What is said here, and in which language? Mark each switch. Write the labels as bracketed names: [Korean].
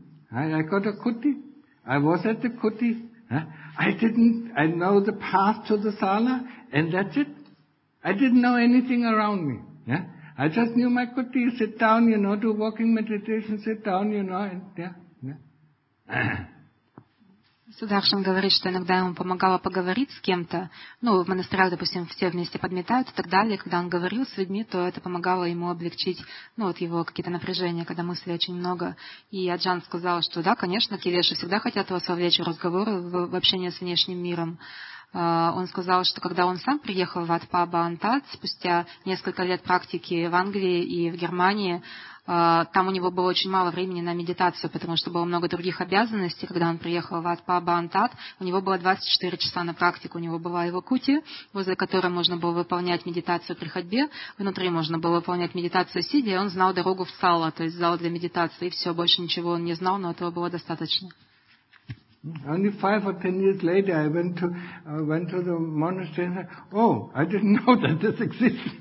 [English] I got a kuti. I was at the kuti. I know the path to the sala, and that's it. I didn't know anything around me. Yeah? I just knew my kuti, sit down, you know, do walking meditation, sit down, you know, and [Russian] Сударшин говорит, что иногда ему помогало поговорить с кем-то. Ну, в монастырях, допустим, все вместе подметают и так далее. Когда он говорил с людьми, то это помогало ему облегчить, ну, вот его какие-то напряжения, когда мыслей очень много. И Аджан сказал, что да, конечно, келеши всегда хотят вас вовлечь в разговоры, в общение с внешним миром. Он сказал, что когда он сам приехал в Ватпабаантат, спустя несколько лет практики в Англии и в Германии, там у него было очень мало времени на медитацию, потому что было много других обязанностей. Когда он приехал в Ватпабаантат, у него было 24 часа на практику. У него была его кути, возле которой можно было выполнять медитацию при ходьбе. Внутри можно было выполнять медитацию сидя, и он знал дорогу в сала, то есть зал для медитации. И все, больше ничего он не знал, но этого было достаточно. [English] Only 5 or 10 years later, I went to the monastery and said, oh, I didn't know that this exists.